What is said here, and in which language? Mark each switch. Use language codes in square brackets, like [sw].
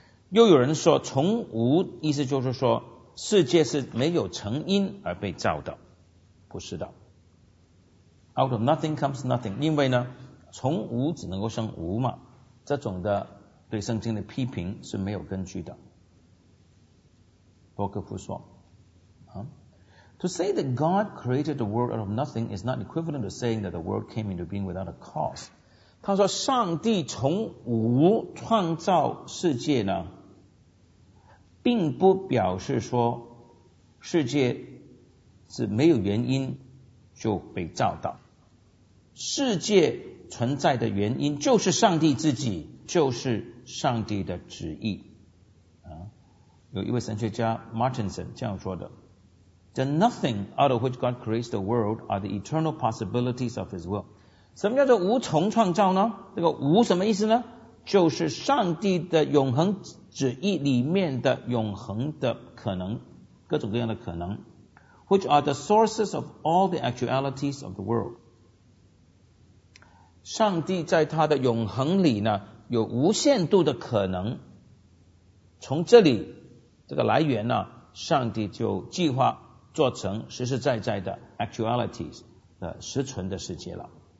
[zh] 又有人说从无意思就是说世界是没有成因而被造的，不是的。 [en] out of nothing comes nothing， [zh] 因为呢从无只能够生无嘛，这种的对圣经的批评是没有根据的。伯克夫说 [en] To say that God created the world out of nothing is not equivalent to saying that the world came into being without a cause。 [zh] 他说上帝从无创造世界呢，并不表示说世界是没有原因就被造到，世界存在的原因就是上帝自己，就是上帝的旨意啊。有一位神学家 Martinson 这样说的 [en] The nothing out of which God creates the world are the eternal possibilities of his will。 [zh] 什么叫做无从创造呢？这个无什么意思呢？就是上帝的永恒旨意里面的永恒的可能，各种各样的可能， [en] which are the sources of all the actualities of the world。 [zh] 上帝在他的永恒里呢有无限度的可能，从这里这个来源呢，上帝就计划做成实实在在的 actualities 的实存的世界了。